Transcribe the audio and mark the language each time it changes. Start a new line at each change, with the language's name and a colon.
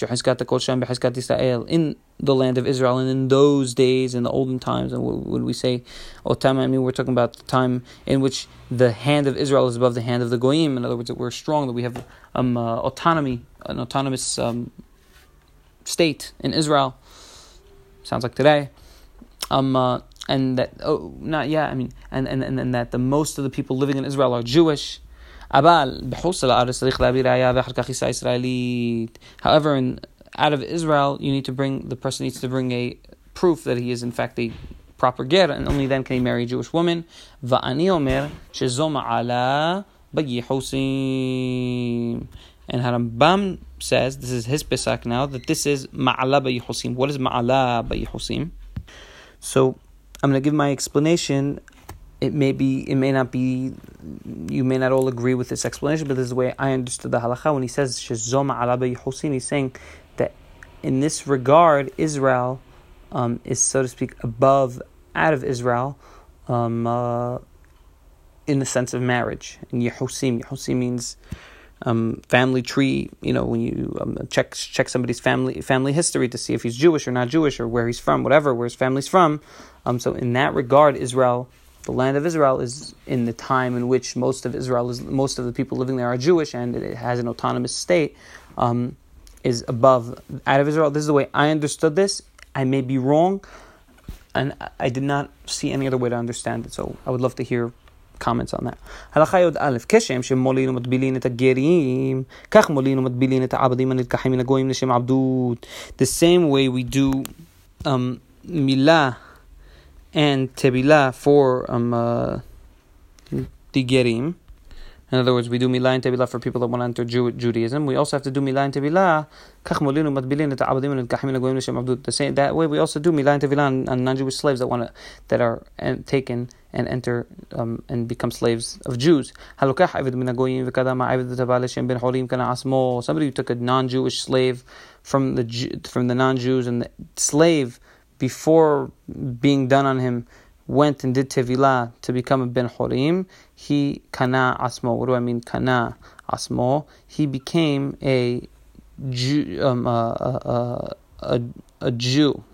English: In the land of Israel, and in those days, in the olden times, and when we say Otamayim, we're talking about the time in which the hand of Israel is above the hand of the Goyim. In other words, that we're strong, that we have autonomy, an autonomous state in Israel. Sounds like today. And that, oh, not yet, I mean, and that the most of the people living in Israel are Jewish.
Hebrew: אבל בחוץ לארץ צריך להביא ראיה ואחר כך ישראל ישראלית.
English: However, in out of Israel, you need to bring, the person needs to bring a proof that he is in fact a proper ger, and only then can he marry a Jewish woman.
Hebrew: ואני אומר שזו מעלה ביחוסים.
English: And Harambam says, this is his pesach now, that this is ma'ala ba'yihusim. What is ma'ala ba'yihusim? So I'm going to give my explanation. You may not all agree with this explanation, but this is the way I understood the halakha. When he says, shezo ma'ala ba'yihusim, he's saying that in this regard, Israel is, so to speak, above, out of Israel, in the sense of marriage. And yihusim, yihusim means family tree, you know, when you check somebody's family history to see if he's Jewish or not Jewish or where he's from, whatever, where his family's from. So in that regard, Israel, the land of Israel, is in the time in which most of the people living there are Jewish and it has an autonomous state, is above, out of Israel. This is the way I understood this. I may be wrong, and I did not see any other way to understand it. So I would love to hear comments on that.
Hebrew: הלכה יוד א', כשם שמולין ומטבילין את הגרים, כך מולין ומטבילין את העבדים הנלקחים מן הגויים לשם עבדות.
English: The same way we do מילה and טבילה for the גרים. In other words, we do מילה and טבילה for people that want to enter Judaism. We also have to do מילה and טבילה,
Hebrew: כך מולין ומטבילין את העבדים הנלקחים מן הגויים לשם עבדות.
English: The same, that way we also do מילה and טבילה on non-Jewish slaves that are taken and enter and become slaves of Jews.
Hebrew: הלוקח עבד מן הגויים וקדם העבד הטבע לשם בן חורים כאן עצמו.
English: Somebody who took a non-Jewish slave from the non-Jews and the slave before being done on him went and did tevila to become a ben chorim, he kana asmo. What do I mean, kana asmo? He became a Jew, a Jew.